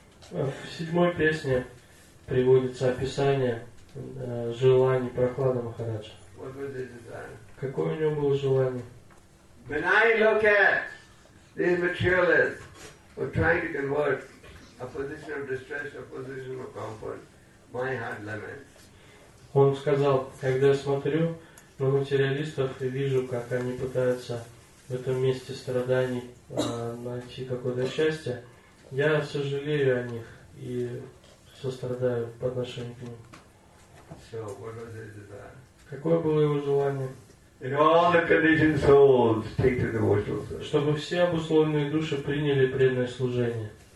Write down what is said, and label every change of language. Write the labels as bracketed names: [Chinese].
[Russian] В седьмой песне приводится описание желаний Прахлада Махараджа. Какое у него было желание? [English] When I look at these materialists who are trying to convert a position of distress to a position of comfort, my heart laments. [Russian] Он сказал, когда я смотрю на материалистов и вижу, как они пытаются в этом месте страданий найти какое-то счастье, я сожалею о них и сострадаю по отношению к ним. [English] So, what was his desire? [Russian] Какое было его желание? [English] In all the conditioned souls, take to devotional service. [Russian] Чтобы все обусловленные души приняли преданное служение.